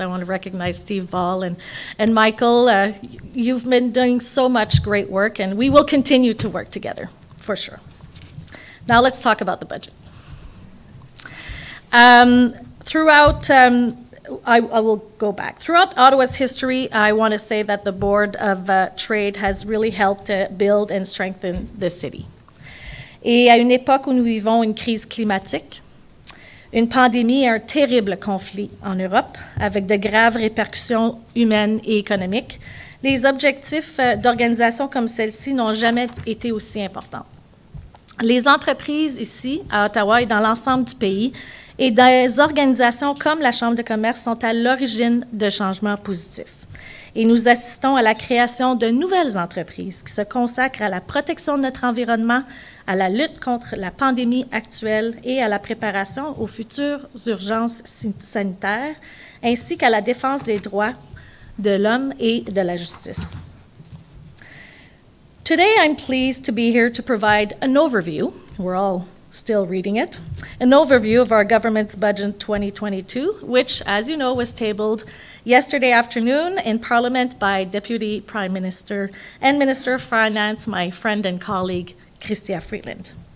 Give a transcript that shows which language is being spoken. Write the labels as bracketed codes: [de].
[en] I want to recognize Steve Ball and Michael. You've been doing so much great work, and we will continue to work together, for sure. Now let's talk about the budget. Throughout Ottawa's history, I want to say that the Board of Trade has really helped build and strengthen the city. [fr] Et à une époque où nous vivons une crise climatique, une pandémie et un terrible conflit en Europe, avec de graves répercussions humaines et économiques, les objectifs d'organisations comme celle-ci n'ont jamais été aussi importants. les entreprises ici à Ottawa et dans l'ensemble du pays et des organisations comme la Chambre de commerce sont à l'origine de changements positifs. Et nous assistons à la création de nouvelles entreprises qui se consacrent à la protection de notre environnement, à la lutte contre la pandémie actuelle et à la préparation aux futures urgences sanitaires, ainsi qu'à la défense des droits de l'homme et de la justice. [en] Today, I'm pleased to be here to provide an overview. We're all still reading it. An overview of our government's budget 2022, which, as you know, was tabled yesterday afternoon in Parliament by Deputy Prime Minister and Minister of Finance, my friend and colleague, Chrystia Freeland.